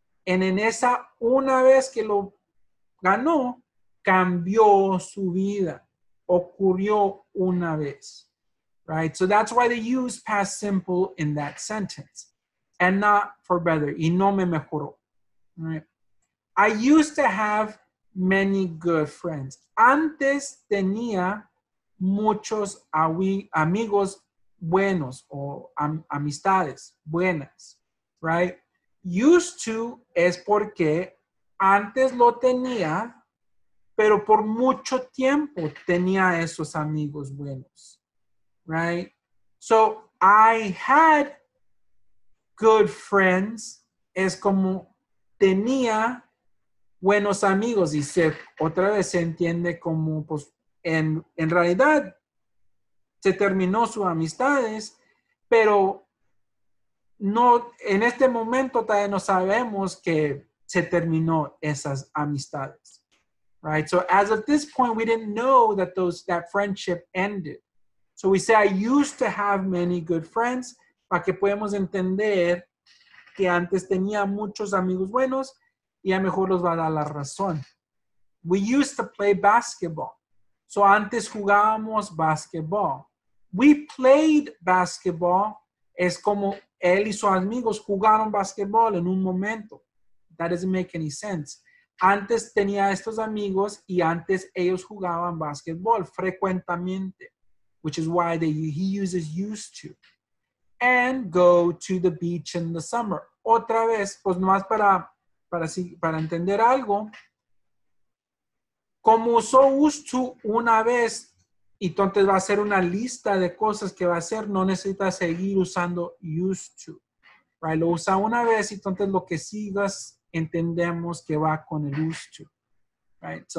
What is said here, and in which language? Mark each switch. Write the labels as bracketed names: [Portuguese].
[Spanish] And en esa una vez que lo ganó, cambió su vida. Ocurrió una vez, right? [English] So that's why they use past simple in that sentence. And not for better. [Spanish] Y no me mejoró, [English] right? I used to have many good friends. [Spanish] Antes tenía muchos amigos buenos o amistades buenas, right? Used to es porque antes lo tenía, pero por mucho tiempo tenía esos amigos buenos, right? [English] So I had good friends, [Spanish] es como tenía buenos amigos, y se, otra vez se entiende como, pues, en realidad se terminó sus amistades, pero no, en este momento todavía no sabemos que se terminó esas amistades, right? [English] So as of this point, we didn't know that those, that friendship ended. So we say, I used to have many good friends, [Spanish] para que podamos entender que antes tenía muchos amigos buenos, y a mejor los va a dar la razón. [English] We used to play basketball. So [Spanish] antes jugábamos [English] basketball. We played basketball. [Spanish] Es como él y sus amigos jugaron basketball en un momento. [English] That doesn't make any sense. [Spanish] Antes tenía estos amigos y antes ellos jugaban basketball frecuentemente, [English] which is why he uses used to. And go to the beach in the summer. [Spanish] Otra vez, pues nomás para entender algo, como usó used to una vez, y entonces va a ser una lista de cosas que va a hacer, no necesita seguir usando used to, right? Lo usa una vez, y entonces lo que sigas, entendemos que va con el used to, right?